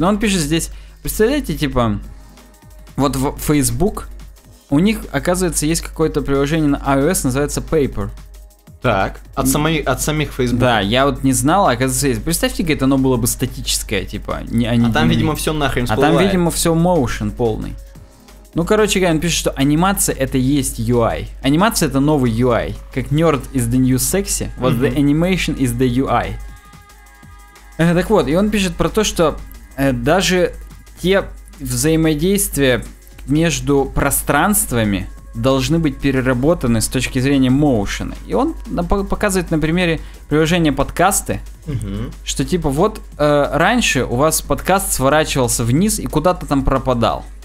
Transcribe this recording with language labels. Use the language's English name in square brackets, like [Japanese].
[Russian] Но он пишет здесь, представляете, типа, вот в Facebook, у них, оказывается, есть какое-то приложение на iOS, называется Paper. Так, от самих Facebook. Да, я вот не знал, оказывается, есть. Представьте, как оно было бы статическое, типа. Там, видимо, все нахрен всплывает. А там, видимо, все motion полный. Ну, короче, он пишет, что анимация это есть UI. Анимация это новый UI. Как [English] nerd is the new sexy, вот the animation is the UI. [Russian] Так вот, и он пишет про то, что даже те взаимодействия между пространствами должны быть переработаны с точки зрения моушена. И он показывает на примере приложения подкасты, что типа вот раньше у вас подкаст сворачивался вниз и куда-то там пропадал.